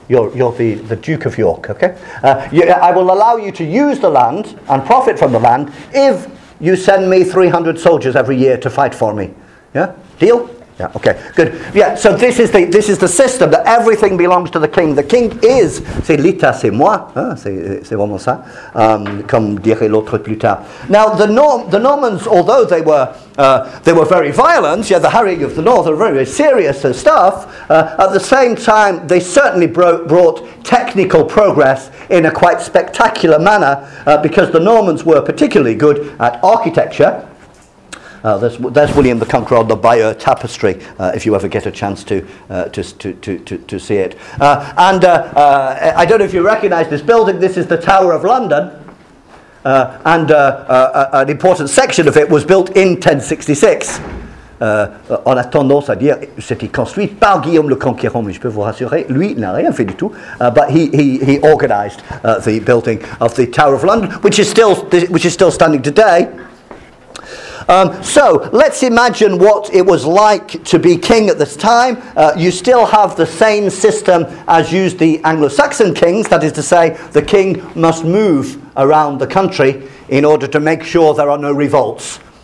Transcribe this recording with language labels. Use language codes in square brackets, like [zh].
[en] You're the Duke of York, okay? I will allow you to use the land and profit from the land if you send me 300 soldiers every year to fight for me. Yeah? Deal? Yeah, okay, good. Yeah, so this is the system that everything belongs to the king. The king is, [fr] c'est l'État, c'est moi, hein? c'est vraiment ça, comme dirait l'autre plus tard. [en] Now, the Normans, although they were very violent, yeah, the harrying of the north, were very, very serious stuff, at the same time, they certainly brought technical progress in a quite spectacular manner, because the Normans were particularly good at architecture. There's William the Conqueror on the Bayeux tapestry. If you ever get a chance to see it, I don't know if you recognise this building. This is the Tower of London, an important section of it was built in 1066. [fr] En attendant, c'est-à-dire, c'était construit par Guillaume le Conquérant, mais je peux vous rassurer, lui, il n'a rien fait du tout. [en] But he organised the building of the Tower of London, which is still standing today. So let's imagine what it was like to be king at this time. You still have the same system as used the Anglo-Saxon kings, that is to say, the king must move around the country in order to make sure there are no revolts.